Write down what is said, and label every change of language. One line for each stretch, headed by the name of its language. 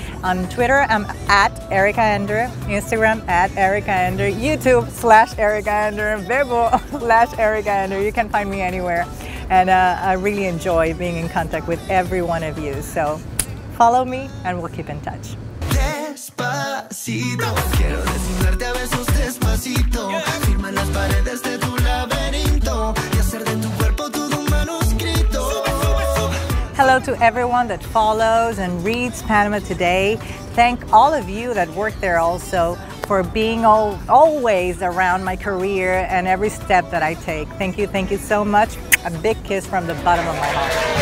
English: On Twitter, I'm at Erika Ender. Instagram, at Erika Ender. YouTube, /Erika Ender. VEVO, /Erika Ender. You can find me anywhere. And I really enjoy being in contact with every one of you. So follow me and we'll keep in touch.
Spanish: Despacito, quiero desnudarte a besos despacito. Firma las paredes de tu laberinto y hacer de tu cuerpo todo un manuscrito.
English: Hello to everyone that follows and reads Panama Today. Thank all of you that work there also for being always around my career and every step that I take. Thank you so much. A big kiss from the bottom of my heart.